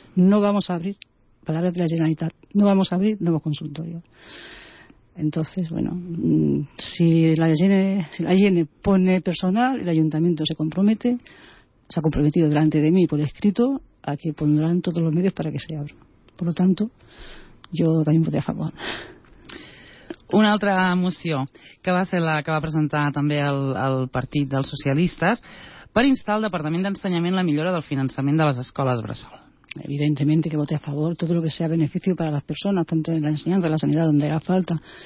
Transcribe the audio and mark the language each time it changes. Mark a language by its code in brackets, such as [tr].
[es] No vamos a abrir, palabras de la Generalitat, no vamos a abrir nuevos consultorios. Entonces, bueno, si la Gene pone personal, el ayuntamiento se compromete, se ha comprometido delante de mí por escrito a que pondrán todos los medios para que se abra. [ca] Per tant, jo també voté a favor. Una altra moció, que va ser la que va presentar també el Partit dels Socialistes, per instar al Departament d'Ensenyament la millora del finançament de les escoles bressol. [es] Evidentemente que voté a favor, todo lo que sea beneficio para las personas, tanto en la enseñanza, en la sanidad, donde haga falta.